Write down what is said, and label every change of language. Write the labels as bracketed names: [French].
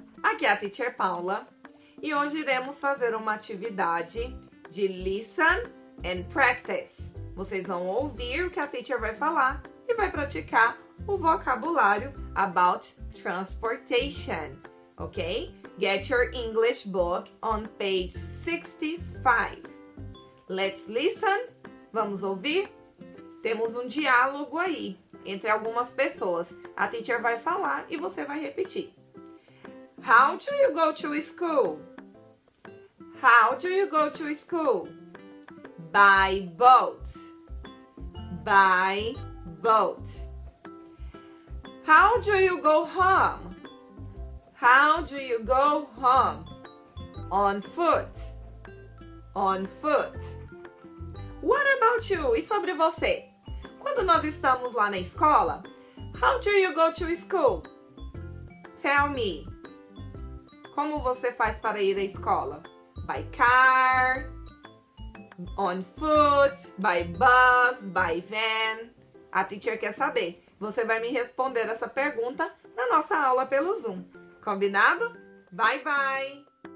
[Portuguese] Aqui é a teacher Paula e hoje iremos fazer uma atividade de [English] listen and practice. [Portuguese] Vocês vão ouvir o que a teacher vai falar e vai praticar o vocabulário [English] about transportation, [Portuguese] ok? [English] Get your English book on page 65. Let's listen. [Portuguese] Vamos ouvir? Temos um diálogo aí entre algumas pessoas. A teacher vai falar e você vai repetir. [English] How do you go to school? How do you go to school? By boat. By boat. How do you go home? How do you go home? On foot. On foot. What about you? [Portuguese] E sobre você? Quando nós estamos lá na escola, [English] how do you go to school? Tell me. [Portuguese] Como você faz para ir à escola? [English] By car, on foot, by bus, by van. [Portuguese] A teacher quer saber. Você vai me responder essa pergunta na nossa aula pelo Zoom. Combinado? Bye, bye!